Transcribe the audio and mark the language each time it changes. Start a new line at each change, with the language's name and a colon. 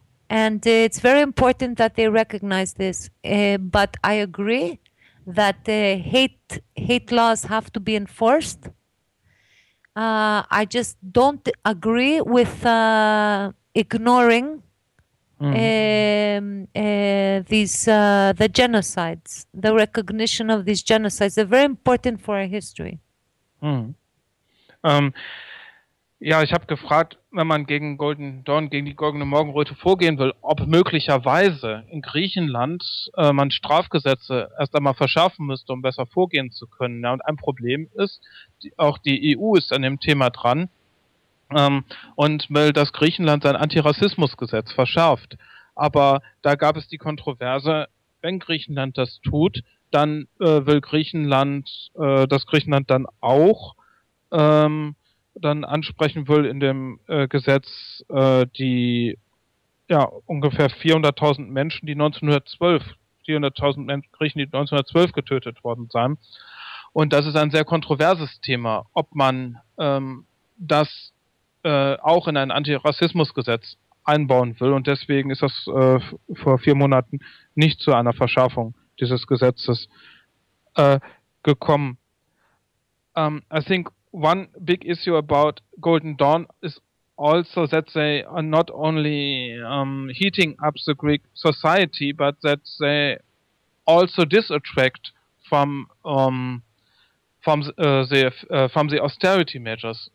English: And it's very important that they recognize this. But I agree that hate laws have to be enforced. I just don't agree with ignoring the genocides, the recognition of these genocides. They're very important for our history. Mm.
German: Ja, ich habe gefragt, wenn man gegen Golden Dawn, gegen die goldene Morgenröte vorgehen will, ob möglicherweise in Griechenland man Strafgesetze erst einmal verschärfen müsste, um besser vorgehen zu können. Ja, und ein Problem ist, auch die EU ist an dem Thema dran und will, dass Griechenland sein Antirassismusgesetz verschärft. Aber da gab es die Kontroverse, wenn Griechenland das tut, dann will Griechenland, dass Griechenland dann auch dann ansprechen will in dem Gesetz die ja ungefähr 400.000 Menschen, die 1912, 400.000 Menschen, Griechen, die 1912 getötet worden seien. Und das ist ein sehr kontroverses Thema, ob man das auch in ein Antirassismusgesetz einbauen will. Und deswegen ist das vor 4 Monaten nicht zu einer Verschärfung dieses Gesetzes gekommen.
English: I think one big issue about Golden Dawn is also that they are not only heating up the Greek society, but that they also disattract from the austerity measures.